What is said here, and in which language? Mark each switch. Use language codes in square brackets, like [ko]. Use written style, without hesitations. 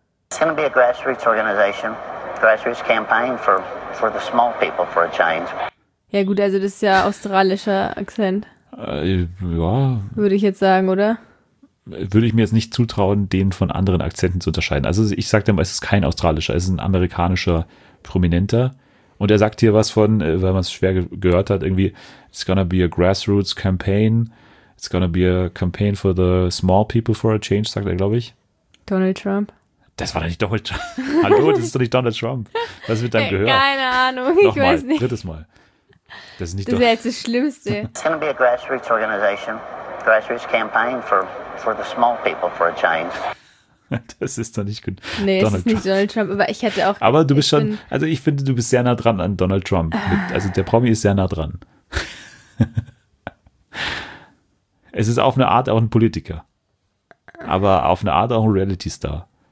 [en] It's going to be a grassroots organization. Grassroots campaign for the small people for a change. [de] Ja gut, also das ist ja australischer Akzent. Ja. Würde ich jetzt sagen, oder? Würde ich mir jetzt nicht zutrauen, den von anderen Akzenten zu unterscheiden. Also ich sage dir mal, es ist kein australischer, es ist ein amerikanischer Prominenter. Und er sagt hier was von, weil man es schwer gehört hat, irgendwie, [en] it's gonna be a grassroots campaign, it's gonna be a campaign for the small people for a change, [de] sagt er, glaube ich. Donald Trump. Das war doch nicht Donald Trump. Hallo, das ist doch nicht Donald Trump. Was wird dann gehört? Keine Ahnung, ich Nochmal, weiß nicht. Drittes Mal. Das ist nicht das jetzt das Schlimmste. [en] It's going to be a grassroots organization. Grassroots campaign for the small people for a change. [de] Das ist doch nicht gut. Nee, Donald es ist nicht Trump. Donald Trump, aber ich hätte auch... Aber du bist schon... Also ich finde, du bist sehr nah dran an Donald Trump. Also der Promi ist sehr nah dran. Es ist auf eine Art auch ein Politiker. Aber auf eine Art auch ein Reality-Star.